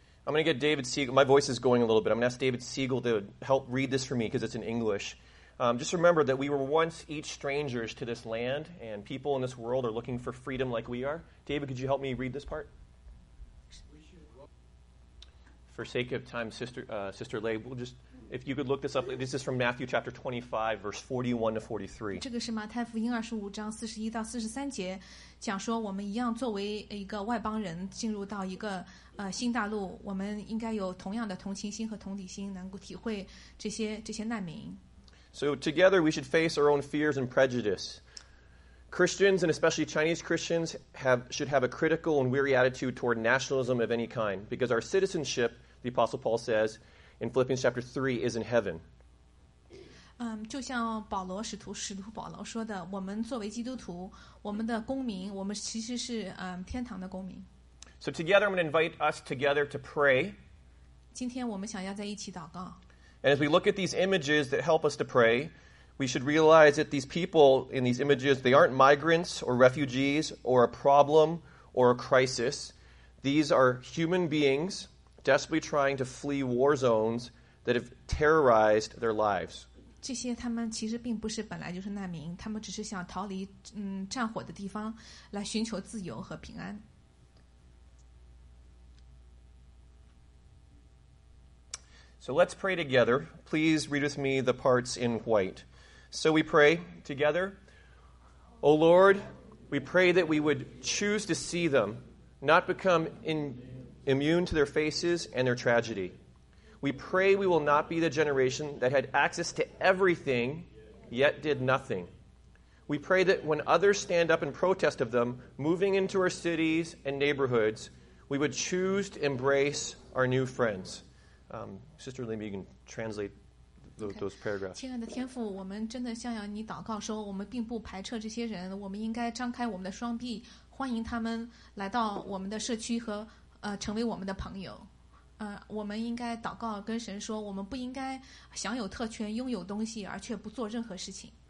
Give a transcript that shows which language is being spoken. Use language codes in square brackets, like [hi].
[en] I'm going to get David Siegel. My voice is going a little bit. I'm going to ask David Siegel to help read this for me because it's in English. Just remember that we were once each strangers to this land, and people in this world are looking for freedom like we are. David, could you help me read this part? For sake of time, Sister Lei, we'll just, if you could look this up. This is from Matthew chapter 25, verse 41 to 43. [zh] 这个是马太福音25章41到43节，讲说我们一样作为一个外邦人进入到一个新大陆，我们应该有同样的同情心和同理心，能够体会这些难民。 [en] So together we should face our own fears and prejudice. Christians, and especially Chinese Christians, should have a critical and weary attitude toward nationalism of any kind, because our citizenship,The Apostle Paul says in Philippians chapter 3 is in heaven. [zh] 就像保罗使徒保罗说的，我们作为基督徒，我们的公民，我们其实是天堂的公民。 [en] So together, I'm going to invite us together to pray. [zh] 今天我们想要在一起祷告。 [en] And as we look at these images that help us to pray, we should realize that these people in these images, they aren't migrants or refugees or a problem or a crisis. These are human beings. Desperately trying to flee war zones that have terrorized their lives. [zh] 这些他们其实并不是本来就是难民，他们只是想逃离战火的地方来寻求自由和平安。 [en] So let's pray together. Please read with me the parts in white. So we pray together. O Lord, we pray that we would choose to see them, not become immune to their faces and their tragedy. We pray we will not be the generation that had access to everything, yet did nothing. We pray that when others stand up in protest of them, moving into our cities and neighborhoods, we would choose to embrace our new friends. Sister Lim, you can translate those paragraphs. [zh] 亲爱的天父，我们真的向你祷告说，我们并不排斥这些人，我们应该张开我们的双臂，欢迎他们来到我们的社区和成为我们的朋友。我们应该祷告跟神说，我们不应该享有特权、拥有东西，而却不做任何事情。